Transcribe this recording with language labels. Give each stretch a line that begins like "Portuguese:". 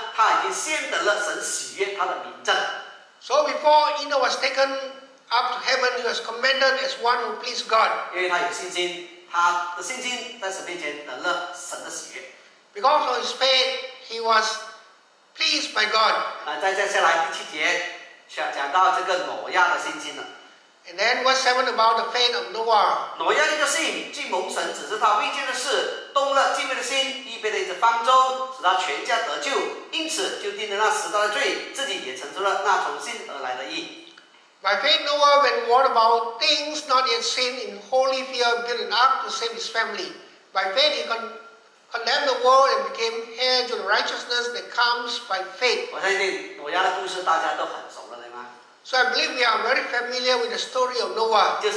Chinese: 当以诺被神接去之前呢，他已经先得了神喜悦他的名证。
English: So before Enoch was taken up to heaven, he was commended as one who pleased God.
Chinese: 因为他有信心，他的信心在神面前得了神的喜悦。
English: Because of his faith, he was pleased by God.
Chinese: 再接下来第七节，讲到这个挪亚的信心了。
English: And then what's happened about the faith of Noah?
Chinese: 挪亚那个信，既蒙神指示他未见的事，动了敬畏的心，预备了一只方舟，使他全家得救，因此就定了那时代的罪，自己也承受了那重新而来的义。
English: By faith, Noah, when warned about things not yet seen, in holy fear built an ark to save his family. By faith, he condemned the world and became heir to the righteousness that comes by faith.
Chinese: 我相信挪亚的故事大家都很熟了，对吗？
English: So I believe we are very familiar with the story of Noah.